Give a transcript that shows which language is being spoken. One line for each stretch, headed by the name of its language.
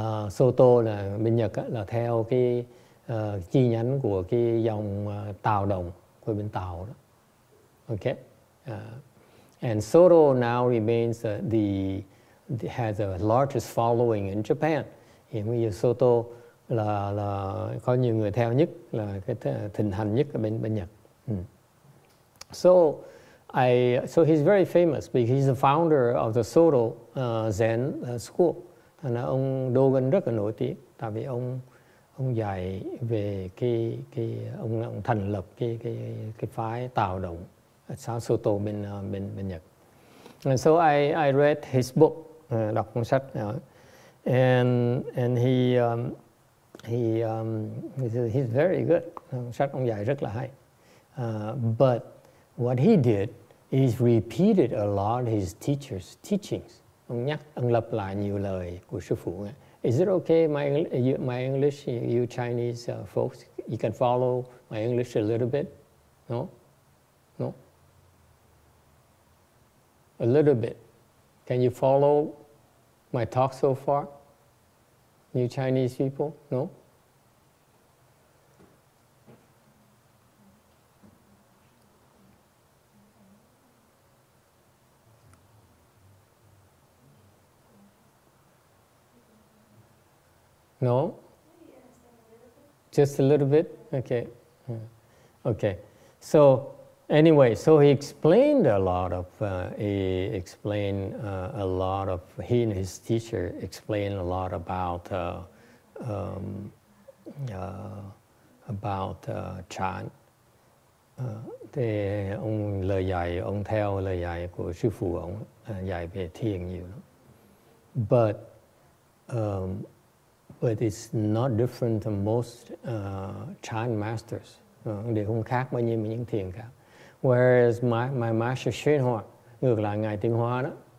Vietnamese: Soto là bên Nhật là theo cái chi nhánh của cái dòng Tào Đồng của bên Tào đó. Okay.
English: And Soto now remains has the largest following in Japan.
Vietnamese: Hiện bây giờ Soto là có nhiều người theo nhất, là cái thịnh hành nhất ở bên Nhật.
English: So he's very famous because he's the founder of the Soto Zen school.
Vietnamese: And ông Dogen rất là nổi tiếng tại vì ông dạy về cái ông thành lập cái phái Tào Đồng sau Soto bên Nhật.
English: And so I read his book,
Vietnamese: đọc cuốn sách,
English: and he's very good.
Vietnamese: Sách ông dạy rất là hay.
English: But what he did is repeated a lot of his teacher's teachings.
Vietnamese: Ông nhắc, ông lặp lại nhiều lời của sư phụ.
English: Is it okay, my English, you Chinese folks, you can follow my English a little bit? No? No? A little bit. Can you follow my talk so far? You Chinese people? No? No? Just a little bit? Okay. Okay. So, anyway, so he explained a lot of, he and his teacher explained a lot about Chan.
Vietnamese: Thì ông lời dạy, ông theo lời dạy của sư phụ ông, dạy về thiền nhiều.
English: But it's not different than most Chan masters.
Vietnamese: Điều không khác bao nhiêu với những thiền cả.
English: Whereas my master XuanHua,
Vietnamese: ngược lại ngài Tiên Hoa đó.